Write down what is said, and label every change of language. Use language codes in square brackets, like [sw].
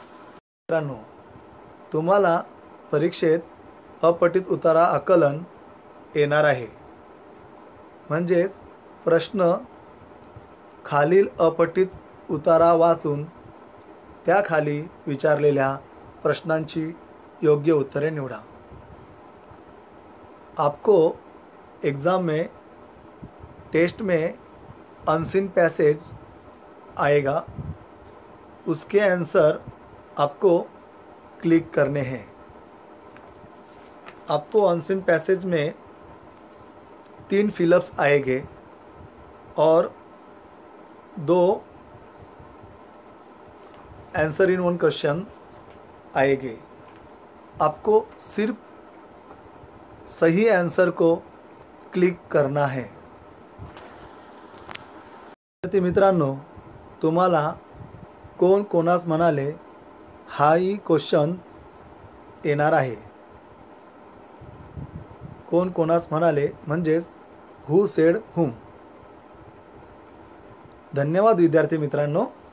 [mr] मित्रांनो, तुम्हाला परीक्षेत अपठित उतारा आकलन येणार आहे. म्हणजेच प्रश्न खालील अपठित उतारा वाचून त्याखाली विचारलेल्या प्रश्नांची योग्य उत्तरे निवडा. [hi] आपको एग्जाम में, टेस्ट में अनसीन पैसेज आएगा, उसके आंसर आपको क्लिक करने हैं. आपको अनसीन पैसेज में तीन फिलअप्स आएंगे और दो आंसर इन वन क्वेश्चन आएंगे. आपको सिर्फ सही आंसर को क्लिक करना है. [mr] विद्यार्थी मित्रांनो, तुम्हाला कोण कोणास म्हणाले हाही क्वेश्चन येणार आहे. कोण कोणास म्हणाले म्हणजेच [en] Who said whom. [mr] धन्यवाद विद्यार्थी मित्रांनो.